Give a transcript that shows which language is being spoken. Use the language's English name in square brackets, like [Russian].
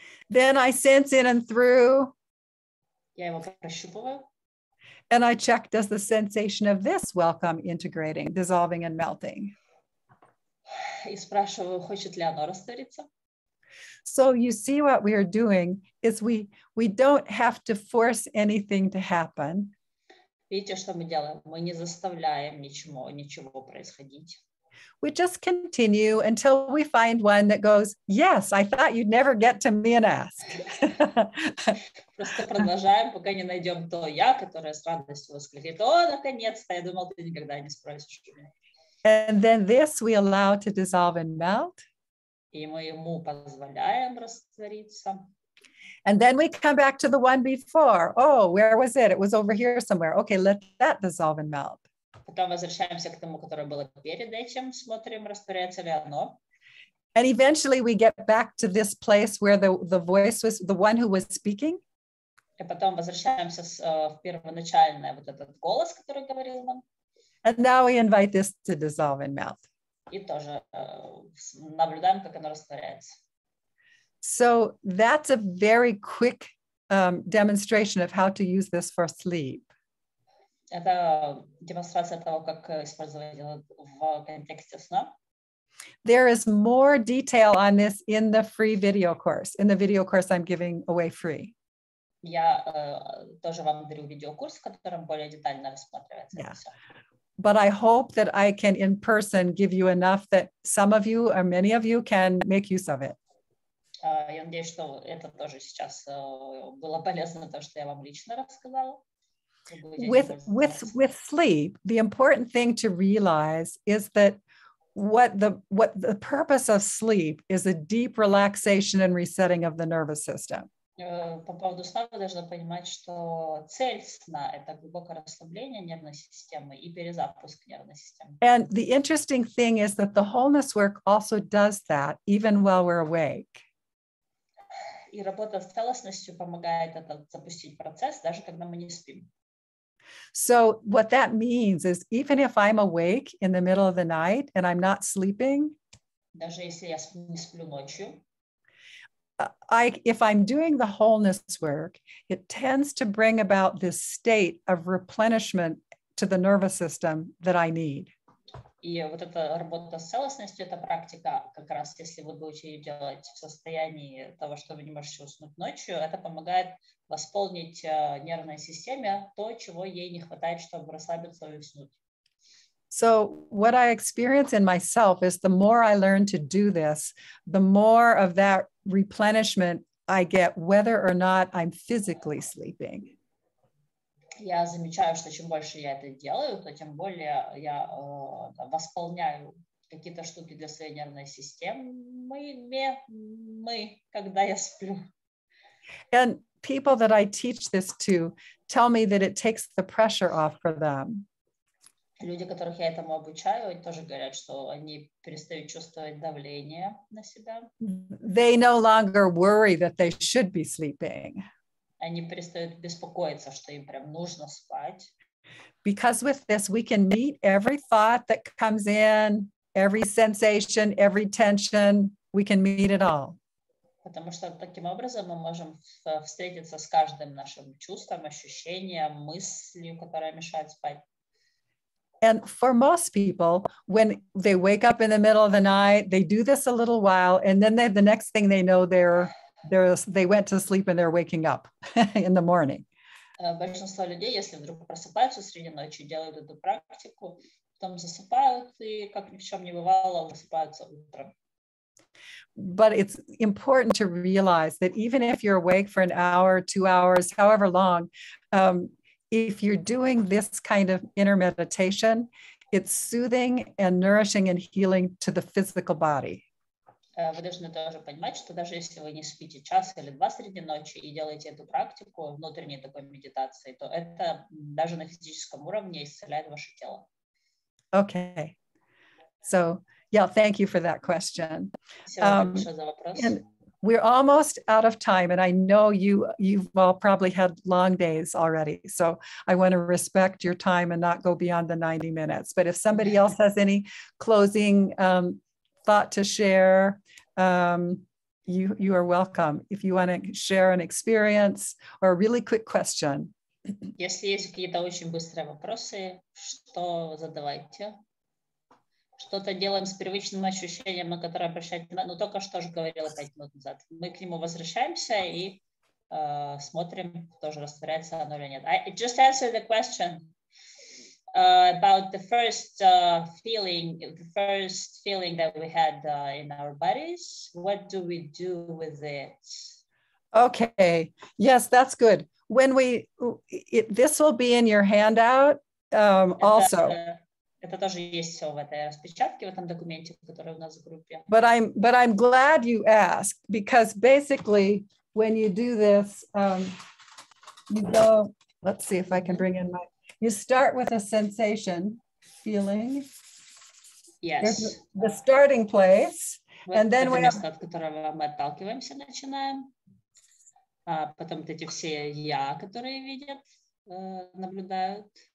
[English] Then I sense in and through. And I check, does the sensation of this welcome integrating, dissolving and melting? [Russian] И спрашиваю, хочет ли оно раствориться. [English] So you see what we are doing is we don't have to force anything to happen. [Russian] Видите, что мы делаем? Мы не заставляем ничего происходить. [English] We just continue until we find one that goes, yes, I thought you'd never get to me and ask. [Russian] Просто продолжаем, пока не найдем то я, которое с радостью воскликнет. О, наконец-то, я думал, ты никогда не спросишь меня. [English] And then this we allow to dissolve and melt. [Russian] И мы ему позволяем раствориться. [English] And then we come back to the one before. Oh, where was it? It was over here somewhere. Okay, let that dissolve and melt. [Russian] Потом возвращаемся к тому, которое было перед этим. Смотрим, растворяется ли оно. [English] And eventually we get back to this place where the voice was, the one who was speaking. [Russian] И потом возвращаемся в первоначальное вот этот голос, который говорил нам. [English] And now we invite this to dissolve and melt. [Russian] И тоже наблюдаем, как оно растворяется. [English] So that's a very quick demonstration of how to use this for sleep. [Russian] Это демонстрация того, как использовать его в контексте сна. [English] There is more detail on this in the free video course, in the video course I'm giving away free. [Russian] Я тоже вам дарю видеокурс, в котором более детально рассматривается это все. [English] But I hope that I can in person give you enough that some of you or many of you can make use of it. [Russian] Я надеюсь, что это тоже сейчас было полезно, то, что я вам лично рассказала. [English] With sleep, the important thing to realize is that what the purpose of sleep is a deep relaxation and resetting of the nervous system. [Russian] По поводу сна вы должны понимать, что цель сна – это глубокое расслабление нервной системы и перезапуск нервной системы. [English] And the interesting thing is that the wholeness work also does that, even while we're awake. [Russian] И работа с целостностью помогает это запустить процесс, даже когда мы не спим. [English] So what that means is, even if I'm awake in the middle of the night and I'm not sleeping, [Russian] даже если я не сплю ночью, [English] If I'm doing the wholeness work, it tends to bring about this state of replenishment to the nervous system that I need. [Russian] И вот эта работа с целостностью, эта практика, как раз если вы будете ее делать в состоянии того, что вы не можете уснуть ночью, это помогает восполнить нервной системе то, чего ей не хватает, чтобы расслабиться и уснуть. [English] So what I experience in myself is the more I learn to do this, the more of that replenishment I get, whether or not I'm physically sleeping. [Russian] Я замечаю, что чем больше я это делаю, то тем более я восполняю какие-то штуки для своей нервной системы, когда я сплю. [English] And people that I teach this to tell me that it takes the pressure off for them. [Russian] Люди, которых я этому обучаю, тоже говорят, что они перестают чувствовать давление на себя. [English] They no longer worry that they should be sleeping. [Russian] Они перестают беспокоиться, что им прям нужно спать. [English] Because with this we can meet every thought that comes in, every sensation, every tension, we can meet it all. [Russian] Потому что таким образом мы можем встретиться с каждым нашим чувством, ощущением, мыслью, которая мешает спать. [English] And for most people, when they wake up in the middle of the night, they do this a little while, and then they, the next thing they know, they went to sleep and they're waking up in the morning. [Russian] Большинство людей, если вдруг просыпаются среди ночи, делают эту практику, потом засыпают и как ни в чем не бывало, высыпаются утром. [English] But it's important to realize that even if you're awake for an hour, 2 hours, however long, if you're doing this kind of inner meditation, it's soothing and nourishing and healing to the physical body. [Russian] Вы должны тоже понимать, что даже если вы не спите час или два среди ночи и делаете эту практику внутренней такой медитации, то это даже на физическом уровне исцеляет ваше тело. [English] Okay. So, yeah, thank you for that question. [Russian] Всего большое за вопрос. [English] We're almost out of time, and I know you've all probably had long days already, so I want to respect your time and not go beyond the 90 minutes. But if somebody else has any closing thought to share, you are welcome. If you want to share an experience or a really quick question. [Russian] Если есть какие-то очень быстрые вопросы, что задавайте? Что-то делаем с привычным ощущением, на которое обращать, ну, только что же говорила 5 минут назад. Мы к нему возвращаемся и смотрим, тоже растворяется оно или нет. [English] I just answered the question about the first feeling that we had in our bodies. What do we do with it? Okay. Yes, that's good. When we, it, this will be in your handout also. [Russian] Это тоже есть все в этой распечатке, в этом документе, который у нас в группе. [English] But I'm glad you asked, because basically when you do this, you go, let's see if I can bring in my, you start with a sensation, feeling. Yes. There's the starting place. [Russian] Вот [English] and then [Russian] это место, от которого мы отталкиваемся, начинаем. Потом вот эти все я, которые видят, наблюдают.